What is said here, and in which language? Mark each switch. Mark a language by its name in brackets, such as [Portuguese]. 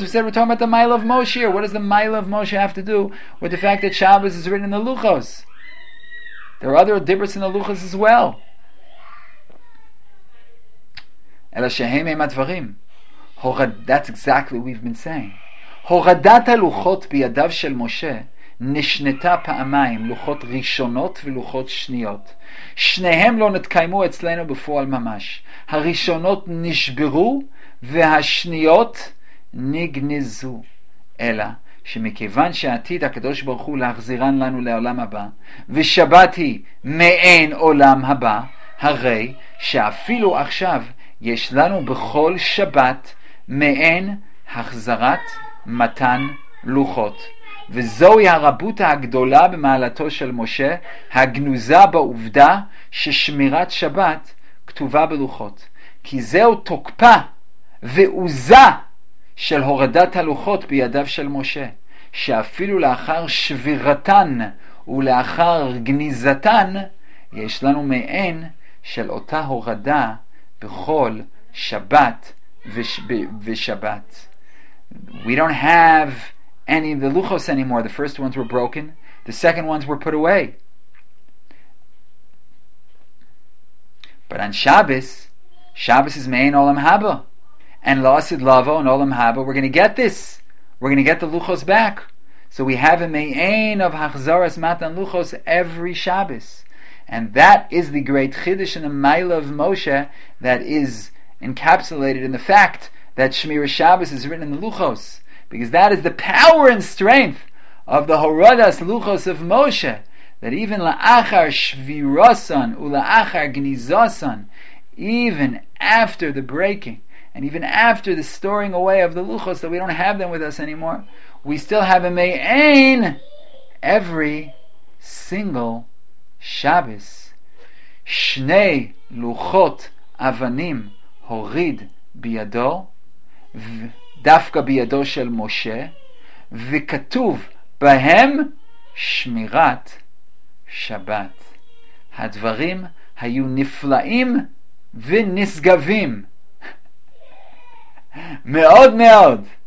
[English] We said we're talking about the Maila of Moshe. What does the Maila of Moshe have to do with the fact that Shabbos is written in the Luchos? There are other dibros in the Luchos as well. Ela shehem hem advarim. That's exactly what we've been saying. [Hebrew] הורדת הלוחות בידיו של משה נשנתה פעמיים, לוחות ראשונות ולוחות שניות. שניהם לא נתקיימו אצלנו בפועל ממש. הראשונות נשברו והשניות נגנזו. אלא שמכיוון שעתיד הקדוש ברוך הוא להחזירן לנו לעולם הבא, ושבת היא מעין עולם הבא, הרי שאפילו עכשיו יש לנו בכל שבת מעין החזרת מתן לוחות. וזוהי הרבות הגדולה במעלתו של משה, הגנוזה בעובדה ששמירת שבת כתובה בלוחות. כי זהו תוקפה ועוזה של הורדת הלוחות בידיו של משה, שאפילו לאחר שבירתן ולאחר גניזתן, יש לנו מעין של אותה הורדה בכל שבת ושבת. [English] We don't have any of the luchos anymore. The first ones were broken, the second ones were put away. But on Shabbos, Shabbos is Me'ein Olam Haba. And Lasid Lavo and Olam Haba, we're going to get this. We're going to get the luchos back. So we have a Me'ein of Hachzaras Matan Luchos every Shabbos. And that is the great chiddush in the Maila of Moshe that is encapsulated in the fact that Shemira Shabbos is written in the luchos. Because that is the power and strength of the Horadas Luchos of Moshe. That even La'achar Shvirosan U'la'achar Gnizosan, even after the breaking, and even after the storing away of the Luchos, that we don't have them with us anymore, we still have a Me'ein every single Shabbos. [Hebrew] Shnei Luchot Avanim Horid Biyado, דווקא בידו של משה, וכתוב בהם שמירת שבת. הדברים היו נפלאים ונשגבים מאוד מאוד.